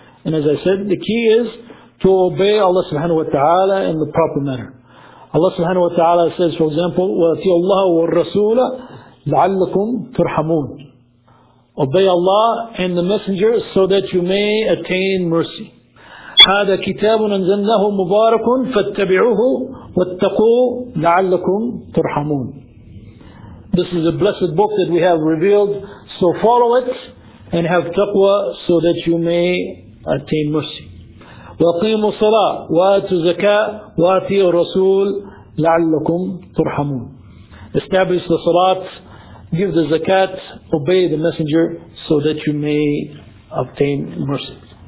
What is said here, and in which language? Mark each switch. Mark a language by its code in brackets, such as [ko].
[en] And as I said, the key is to obey Allah subhanahu wa ta'ala in the proper manner. Allah subhanahu wa ta'ala says, for example, [ar] وَأَطِيعُوا اللَّهَ وَالرَّسُولَ لَعَلَّكُمْ تُرْحَمُونَ. [en] Obey Allah and the Messenger so that you may attain mercy. [ar] هذا كتاب أنزلناه مبارك فاتبعوه واتقوا لعلكم ترحمون. [en] This is a blessed book that we have revealed, so follow it and have taqwa so that you may attain mercy. [ar] وَقِيمُوا الصَّلَاةَ وَآتُوا الزَّكَاةَ وَآتِيُوا الرَّسُولَ لَعَلَّكُمْ تُرْحَمُونَ. [en] Establish the salat, give the zakat, obey the messenger so that you may obtain mercy.